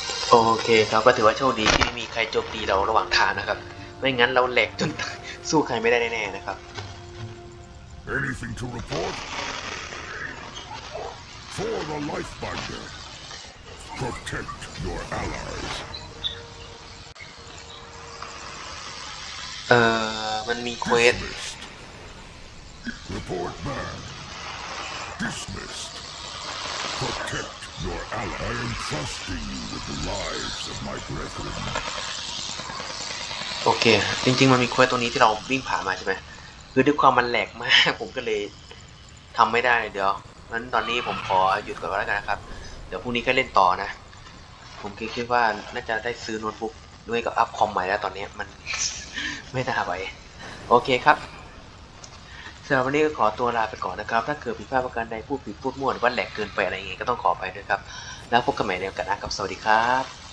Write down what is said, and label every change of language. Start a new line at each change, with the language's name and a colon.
Thai: โอเคเขาก็ถือว่าโชคดีที่ไม่มีใครโจมตีเราระหว่างทางนะครับไม่งั้นเราแหลกจนสู้ใครไม่ได้แน่ๆนะครับ
English: Anything to report for the lifebinderProtect your allies.
Thai: มันมีเควส
English: Dismissed. Report back. Dismissed. Protect your allies. I am trusting you with the lives of my brethren.
Thai: โอเคจริงๆมันมีเควสตัวนี้ที่เราวิ่งผ่านมาใช่ไหมคือด้วยความมันแหลกมากผมก็เลยทำไม่ได้เดี๋ยวงั้นตอนนี้ผมขอหยุดก่อนแล้วกันนะครับเดี๋ยวพรุ่งนี้ก็เล่นต่อนะผมคิดว่าน่าจะได้ซื้อโน้ตบุ๊กด้วยกับอัพคอมใหม่แล้วตอนนี้มันไม่น่าไหวโอเคครับสำหรับวันนี้ก็ขอตัวลาไปก่อนนะครับถ้าเกิดผิดพลาดประการใดพูดผิดพูดมั่วหรือว่าแหลกเกินไปอะไรอย่างงี้ก็ต้องขอไปด้วยครับแล้วพบกันใหม่ในโอกาสหน้ากับสวัสดีครับ